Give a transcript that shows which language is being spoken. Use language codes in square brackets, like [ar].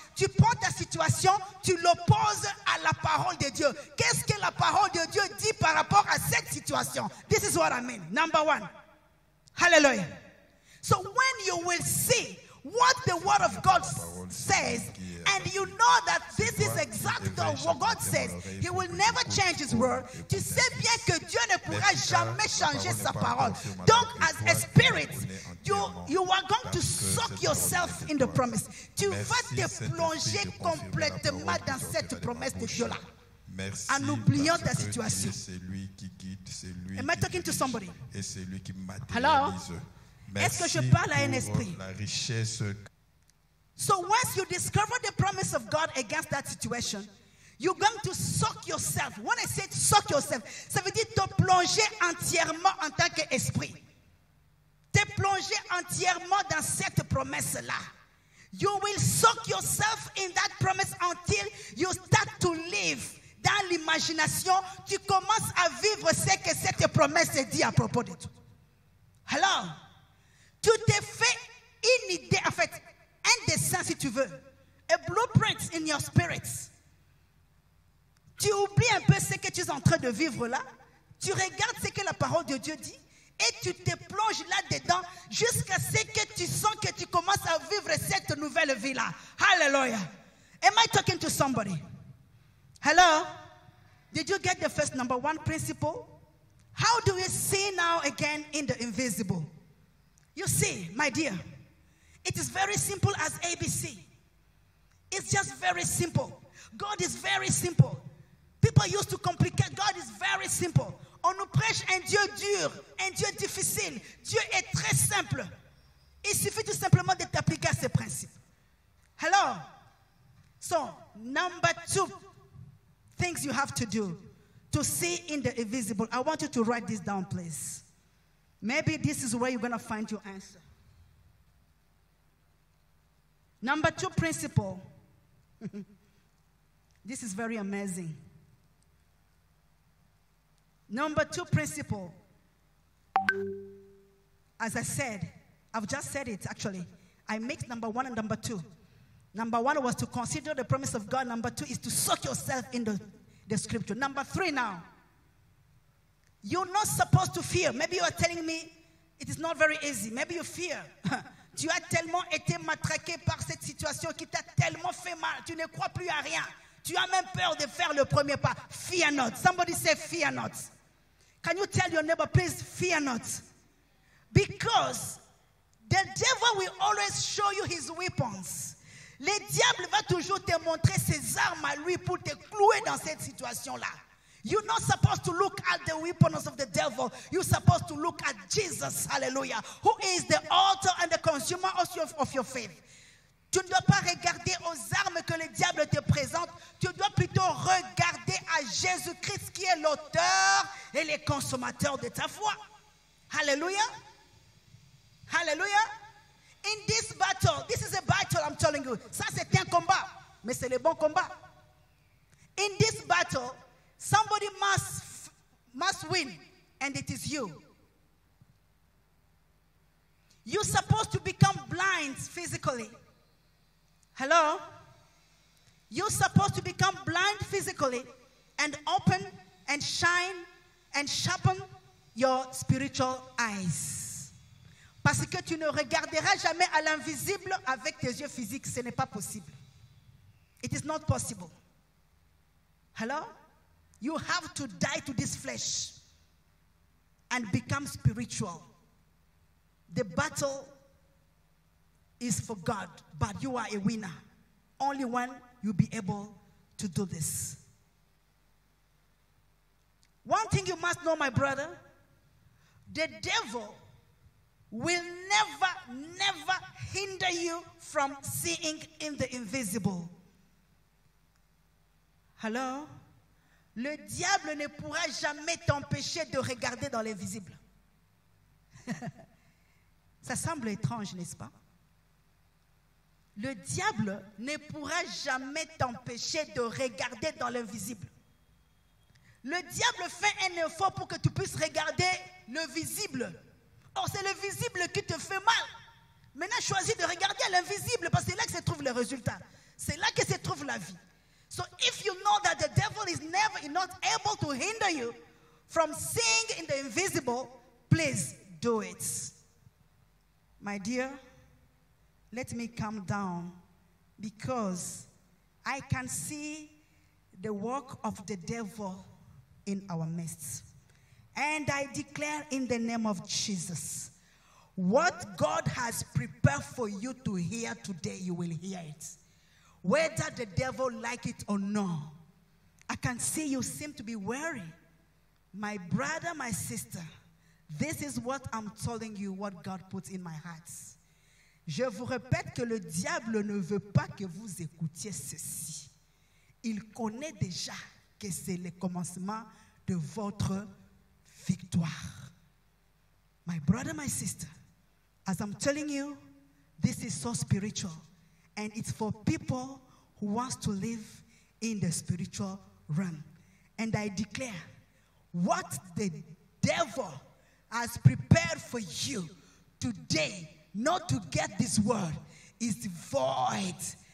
[fr] Tu prends ta situation, tu l'opposes à la parole de Dieu. Qu'est-ce que la parole de Dieu dit par rapport à cette situation? [en] This is what I mean, number one. Hallelujah. So when you will see what the word of God says, and you know that this is exactly what God says, he will never change his word. [fr] Tu sais bien que Dieu ne pourra jamais changer sa parole. [en] Donc, as a spirit, you are going to soak yourself in the promise. [fr] Tu vas te plonger complètement dans cette promesse de Dieu-là. Merci, en oubliant ta situation. Lui qui guide, c'est lui. [en] Am I talking to somebody? [fr] Et c'est lui qui m'attire. [en] Hello? [fr] Merci. Est-ce que je parle à un esprit? La richesse. [en] So once you discover the promise of God against that situation, you're going to soak yourself. When I say soak yourself, [fr] ça veut dire te plonger entièrement en tant qu'esprit. Te plonger entièrement dans cette promesse-là. [en] You will soak yourself in that promise until you start to live. [fr] Dans l'imagination, tu commences à vivre ce que cette promesse dit à propos de toi. Hello? Tu te fais une idée, en fait, un dessin si tu veux, [en] a blueprint in your spirit. [fr] Tu oublies un peu ce que tu es en train de vivre là, tu regardes ce que la parole de Dieu dit et tu te plonges là-dedans jusqu'à ce que tu sens que tu commences à vivre cette nouvelle vie-là. [en] Hallelujah. Am I talking to somebody? Hello? Did you get the first number one principle? How do we see now again in the invisible? You see, my dear, it is very simple as ABC. It's just very simple. God is very simple. People used to complicate. God is very simple. [fr] On nous prêche un Dieu dur, un Dieu difficile. Dieu est très simple. Il suffit tout simplement de t'appliquer à ces principes. [en] Hello? So, number two things you have to do to see in the invisible. I want you to write this down, please. Maybe this is where you're going to find your answer. Number two principle. This is very amazing. Number two principle. As I said, I've just said it actually. I mixed number one and number two. Number one was to consider the promise of God. Number two is to soak yourself in the scripture. Number three now. You're not supposed to fear. Maybe you are telling me it is not very easy. Maybe you fear. [fr] Tu as tellement été matraqué par cette situation qui t'a tellement fait mal. Tu ne crois plus à rien. Tu as même peur de faire le premier pas. [en] Fear not. Somebody say fear not. Can you tell your neighbor, please, fear not? Because the devil will always show you his weapons. [fr] Le diable va toujours te montrer ses armes à lui pour te clouer dans cette situation-là. [en] You're not supposed to look at the weapons of the devil. You're supposed to look at Jesus, hallelujah, who is the author and the consumer of your faith. [fr] Tu ne dois pas regarder aux armes que le diable te présente. Tu dois plutôt regarder à Jésus-Christ qui est l'auteur et le consommateur de ta foi. [en] Hallelujah. Hallelujah. In this battle, this is a battle, I'm telling you. [fr] Ça, c'est un combat, mais c'est le bon combat. [en] In this battle, somebody must win, and it is you. You're supposed to become blind physically. Hello? You're supposed to become blind physically and open and shine and sharpen your spiritual eyes. [fr] Parce que tu ne regarderas jamais à l'invisible avec tes yeux physiques. Ce n'est pas possible. [en] It is not possible. Hello? You have to die to this flesh and become spiritual. The battle is for God, but you are a winner. Only when you'll be able to do this. One thing you must know, my brother, the devil will never, never hinder you from seeing in the invisible. Hello? [fr] Le diable ne pourra jamais t'empêcher de regarder dans l'invisible. Ça semble étrange, n'est-ce pas? Le diable ne pourra jamais t'empêcher de regarder dans l'invisible. Le diable fait un effort pour que tu puisses regarder le visible. Or, c'est le visible qui te fait mal. Maintenant, choisis de regarder à l'invisible parce que c'est là que se trouve le résultat. C'est là que se trouve la vie. [en] So, if you know that the devil is never not able to hinder you from seeing in the invisible, please do it. My dear, let me calm down because I can see the work of the devil in our midst. And I declare in the name of Jesus, what God has prepared for you to hear today, you will hear it. Whether the devil like it or not, I can see you seem to be weary. My brother, my sister, this is what I'm telling you, what God put in my heart. [fr] Je vous répète que le diable ne veut pas que vous écoutiez ceci. Il connaît déjà que c'est le commencement de votre victoire. [en] My brother, my sister, as I'm telling you, this is so spiritual. And it's for people who want to live in the spiritual realm. And I declare, what the devil has prepared for you today, not to get this word, is void.